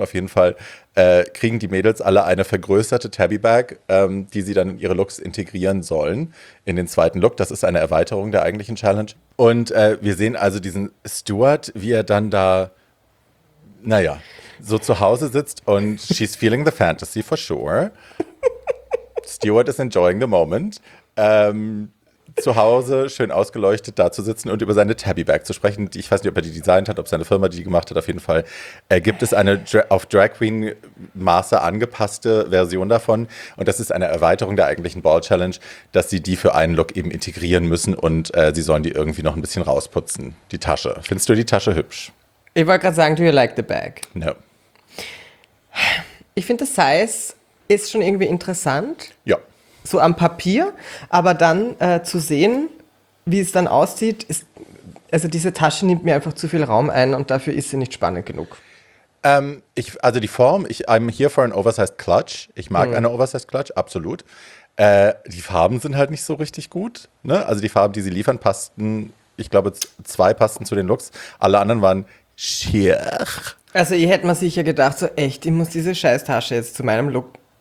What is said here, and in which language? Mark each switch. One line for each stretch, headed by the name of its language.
German: Auf jeden Fall kriegen die Mädels alle eine vergrößerte Tabby Bag, die sie dann in ihre Looks integrieren sollen, in den zweiten Look. Das ist eine Erweiterung der eigentlichen Challenge. Und wir sehen also diesen Stuart, wie er dann da, so zu Hause sitzt und
English: she's feeling the fantasy for sure. Stuart is enjoying the moment.
German: Zu Hause schön ausgeleuchtet da zu sitzen und über seine Tabby Bag zu sprechen. Ich weiß nicht, ob er die designt hat, ob seine Firma die gemacht hat. Auf jeden Fall gibt es eine auf Drag Queen Maße angepasste Version davon. Und das ist eine Erweiterung der eigentlichen Ball Challenge, dass sie die für einen Look eben integrieren müssen und sie sollen die irgendwie noch ein bisschen rausputzen. Die Tasche. Findest du die Tasche hübsch? Ich wollte gerade sagen,
English: do you like the bag? No.
German: Ich finde, das Size ist schon irgendwie interessant. Ja. So am Papier, aber dann zu sehen, wie es dann aussieht, ist, also diese Tasche nimmt mir einfach zu viel Raum ein und dafür ist sie nicht spannend genug. Die Form,
English: I'm here for an oversized clutch.
German: Ich mag eine oversized clutch, absolut. Die Farben sind halt nicht so richtig gut. Ne? Also die Farben, die sie liefern, passten, ich glaube, zwei passten zu den Looks. Alle anderen waren schier. Also ihr hättet mir sicher gedacht, so echt, ich muss diese scheiß Tasche jetzt zu meinem Look.